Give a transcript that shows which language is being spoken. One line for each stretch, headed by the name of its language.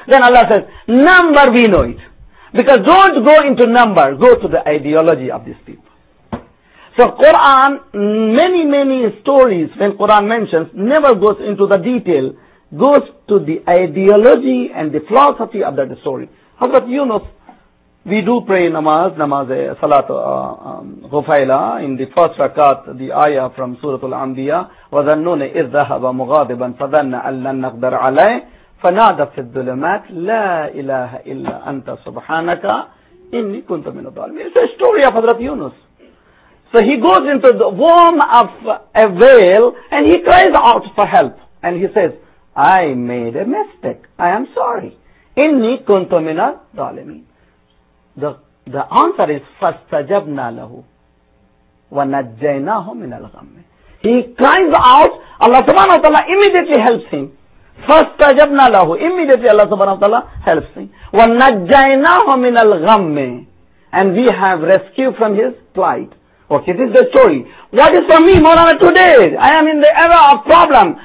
English: Then Allah says, number we know it. Because don't go into number, go to the ideology of these people. So Quran, many, many stories when Quran mentions, never goes into the detail, goes to the ideology and the philosophy of that story. Hazrat Yunus, we do pray namaz, salat, ghufayla, in the first rakat, the ayah from Suratul Anbiya,
Arabic: وَذَنُّونَ إِذَّهَبَ مُغَادِبًا فَذَنَّ أَلَّنَّ نَقْدَرْ عَلَيْهِ فَنَادَ فِي الظُّلُمَاتِ لَا إِلَهَ إِلَّا أَنْتَ سُبْحَانَكَ إِنِّي كُنْتَ مِنُ الظَّالِمِينَ.
English: It's a story of Hazrat Yunus. So he goes into the womb of a whale and he cries out for help. And he says, I made a mistake. I am sorry.
Arabic: إِنِّي كُنْتَ مِنَ الظَّالِمِينَ.
English: The answer is,
Arabic: فَاسْتَجَبْنَا لَهُ وَنَجَّيْنَاهُ مِنَ الْغَمِّ.
English: He cries out, Allah subhanahu wa ta'ala immediately helps him.
Arabic: فَاسْتَجَبْنَا لَهُ.
English: Immediately Allah subhanahu wa ta'ala helps him.
Arabic: وَنَجَّيْنَاهُ مِنَ الْغَمِّ.
English: And we have rescued from his plight. Okay, this is the story. What is for me, Maulana, today? I am in the era of problem.